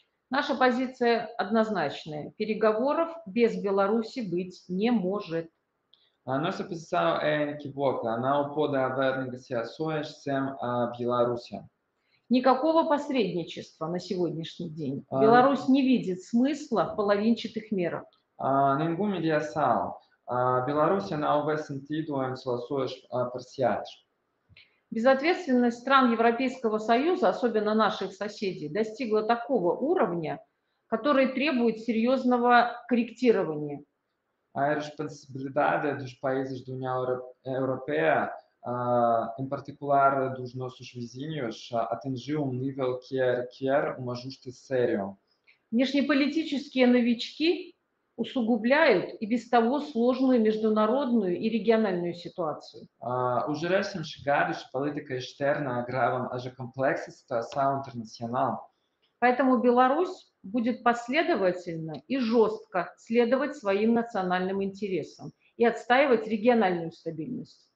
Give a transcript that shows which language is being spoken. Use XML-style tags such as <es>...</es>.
<ru>Наша позиция однозначная. Переговоров без Беларуси быть не может.</ru> <pt>A nossa posição é inequívoca. Não pode haver negociações sem a Bielorrússia.</pt> <ru>Никакого посредничества на сегодняшний день. Беларусь не видит смысла в половинчатых мерах.</ru> <pt>Nenhuma mediação. Беларусь não vê sentido em soluções parciais.</pt> <ru>Безответственность стран Европейского Союза, особенно наших соседей, достигла такого уровня, который требует серьезного корректирования.</ru> <pt>A responsabilidade dos países da União Europeia, em particular dos nossos vizinhos, atingiu nível que requer um ajuste sério.</pt> <ru>Внешнеполитические новички усугубляют и без того сложную международную и региональную ситуацию. Уже</ru> <pt>recém chegados, política externa agrava a já complexa situação internacional.</pt> <ru>Поэтому Беларусь будет последовательно и жестко следовать своим национальным интересам и отстаивать региональную стабильность.</ru>